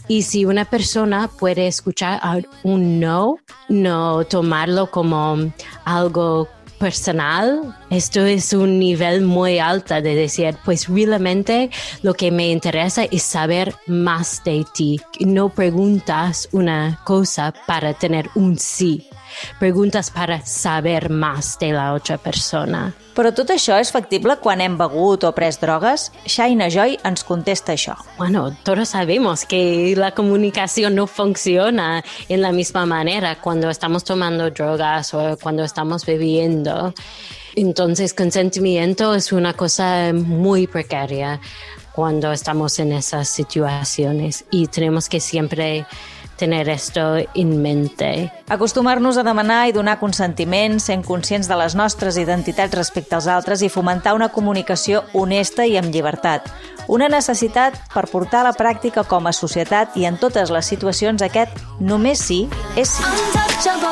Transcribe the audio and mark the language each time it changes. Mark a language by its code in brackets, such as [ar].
[es] Y si una persona puede escuchar un no, no tomarlo como algo personal, esto es un nivel muy alto de decir, pues realmente lo que me interesa es saber más de ti. No preguntas una cosa para tener un sí, preguntas para saber más de la otra persona. [ca] Però tot això és factible quan hem begut o pres drogues? Shaina Joy ens contesta això. [es] Bueno, todos sabemos que la comunicación no funciona en la misma manera cuando estamos tomando drogas o cuando estamos bebiendo. Entonces, consentimiento es una cosa muy precaria cuando estamos en esas situaciones y tenemos que siempre tener esto en mente. [ca] Acostumar-nos a demanar i donar consentiment, sent conscients de les nostres identitats respecte als altres i fomentar una comunicació honesta i amb llibertat. Una necessitat per portar a la pràctica com a societat i en totes les situacions aquest només sí és sí.